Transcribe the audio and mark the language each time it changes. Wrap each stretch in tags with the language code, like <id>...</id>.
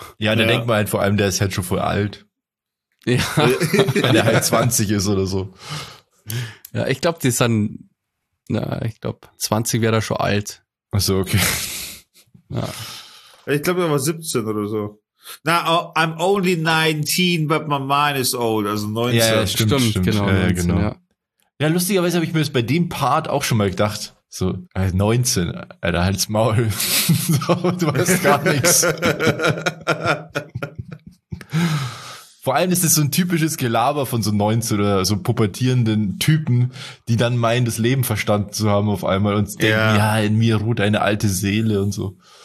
<de>Ja, dann denkt man halt vor allem, der ist halt schon voll alt. Ja. Wenn er halt 20 ist oder so. Ja, ich glaube, die sind, na, ich glaube, 20 wäre da schon alt. Ach so, okay. Ja. Ich glaube, er war 17 oder so.</de> <en>Na, I'm only 19, but my mind is old.</en> <de>Also 19. Ja, stimmt. Genau. Ja, 19, genau. Ja. Ja, lustigerweise habe ich mir das bei dem Part auch schon mal gedacht. So, 19, Alter, halt's Maul. So, du weißt gar nichts. Vor allem ist das so ein typisches Gelaber von so 19 oder so pubertierenden Typen, die dann meinen, das Leben verstanden zu haben auf einmal und denken, ja, in mir ruht eine alte Seele und so.</de>